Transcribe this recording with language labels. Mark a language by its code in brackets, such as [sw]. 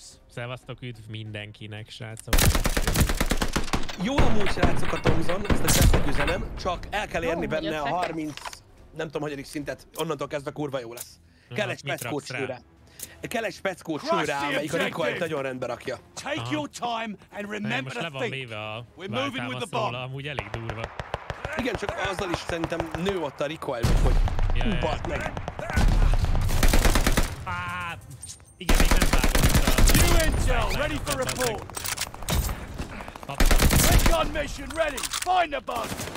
[hu] Szevasztok, üdv mindenkinek, srácok. Jó amúgy, srácok, a Thompson, ezt a csesztek üzenem, csak el kell érni benne a 30, nem tudom, hagyadik szintet, onnantól kezdve kurva jó lesz. Kell egy speckó csőre. Kell egy speckó csőre, amelyik a Nikolajt nagyon rendbe rakja. [en] Take your time and remember a thing. We're moving with the bomb. [hu] Amúgy elég durva. Igen, csak azzal is szerintem nő ott a Nikolaj, hogy hú, bat meg. Igen, még nem vágottam. [en] New intel, ready for report. Recon mission ready! Find the bug!